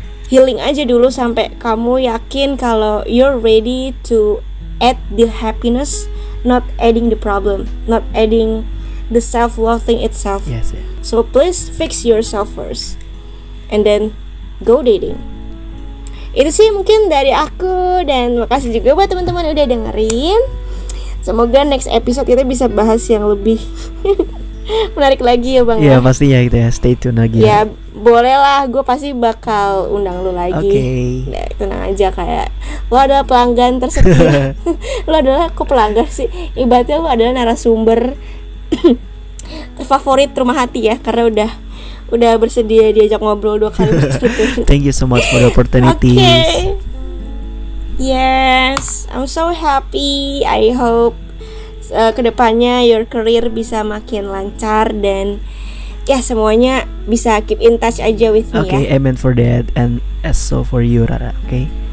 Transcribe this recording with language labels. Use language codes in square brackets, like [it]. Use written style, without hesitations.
[en] Healing [id] aja dulu sampai kamu yakin kalau [en] you're ready to add the happiness, not adding the problem, not adding the self-loathing itself. Yes, yeah. So please fix yourself first and then go dating. [id] Itu sih mungkin dari aku, dan makasih juga buat teman-teman udah dengerin. Semoga [en] next episode [id] kita bisa bahas yang lebih menarik lagi ya Bang. Iya pastinya gitu ya, [en] stay tune [id] lagi. Ya boleh lah, gue pasti bakal undang lu lagi. [en] Oke. Okay. [id] Nah, tenang aja, kayak lu adalah pelanggan tersetia. Lu adalah, kok pelanggan sih, ibaratnya lu adalah narasumber terfavorit rumah hati ya, karena udah bersedia diajak ngobrol dua kali. [en] Thank you so much for the opportunity. Oke. Okay. Yes, I'm so happy. I hope [id] kedepannya [en] your career [id] bisa makin lancar, dan ya semuanya bisa [en] keep in touch [id] aja [en] with me. Okay, [id] ya. [en] Amen for that, and as so for you Rara. Okay.